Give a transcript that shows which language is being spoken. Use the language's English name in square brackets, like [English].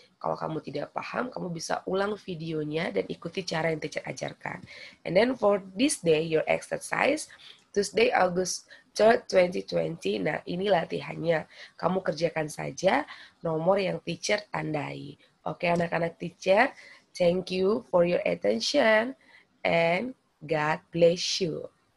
[Indonesian] Kalau kamu tidak paham, kamu bisa ulang videonya dan ikuti cara yang teacher ajarkan. [English] And then for this day, your exercise, Tuesday, August 3, 2020. [Indonesian] Nah, ini latihannya. Kamu kerjakan saja nomor yang teacher tandai. [English] Okay, [Indonesian] anak-anak [English] teacher. Thank you for your attention and God bless you.